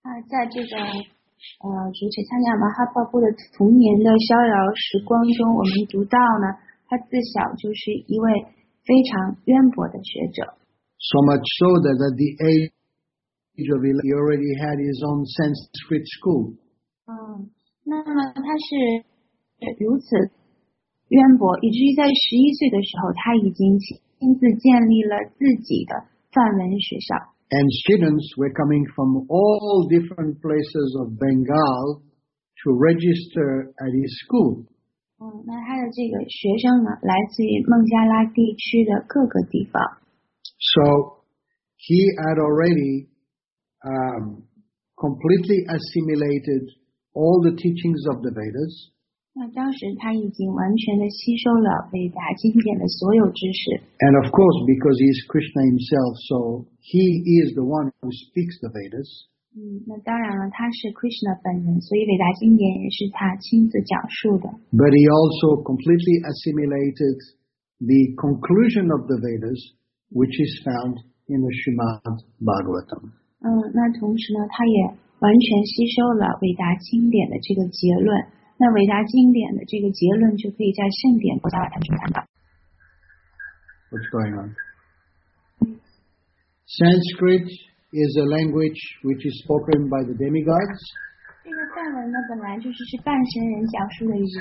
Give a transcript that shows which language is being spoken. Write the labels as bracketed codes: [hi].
[zh] 在这个主 Chaitanya Mahaprabhu 的童年的逍遥时光中，我们读到呢，他自小就是一位非常渊博的学者。 [en] So much so that at the age of 11, he already had his own Sanskrit school. [zh] 那么他是如此渊博，以至于在11岁的时候，他已经亲自建立了自己的梵文学校。 [en] And students were coming from all different places of Bengal to register at his school. [zh] 那他的这个学生呢，来自于孟加拉地区的各个地方。 [en] So he had already completely assimilated all the teachings of the Vedas. [zh] 那当时他已经完全的吸收了伟大经典的所有知识。 [en] And of course, because he is Krishna himself, so he is the one who speaks the Vedas. [zh] 那当然了，他是 Krishna 本人，所以伟大经典也是他亲自讲述的。 [en] But he also completely assimilated the conclusion of the Vedas. Which is found in the Srimad Bhagavatam. [zh] 那同时呢，他也完全吸收了伟达经典的这个结论。那伟达经典的这个结论就可以在圣典菩萨瓦坛中看到。 [en] What's going on? Sanskrit is a language which is spoken by the demigods. [zh] 这个梵文呢，本来就是是半神人讲述的语言。